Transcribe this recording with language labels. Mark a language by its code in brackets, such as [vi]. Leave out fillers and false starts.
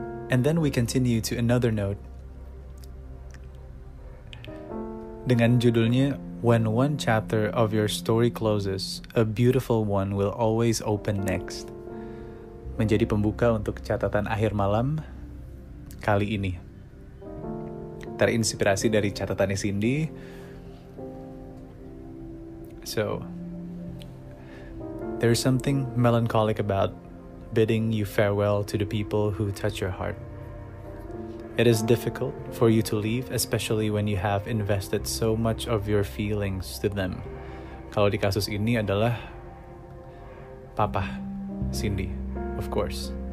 [en] And then we continue to another note [id] dengan judulnya [en] When One Chapter of Your Story Closes, A Beautiful One Will Always Open Next. [id] Menjadi pembuka untuk catatan akhir malam kali ini. Terinspirasi dari catatannya Cindy. [en] So, there's something melancholic about bidding you farewell to the people who touch your heart. It is difficult for you to leave, especially when you have invested so much of your feelings to them. [id] Kalau di kasus ini adalah Papa Cindy, [en] of course.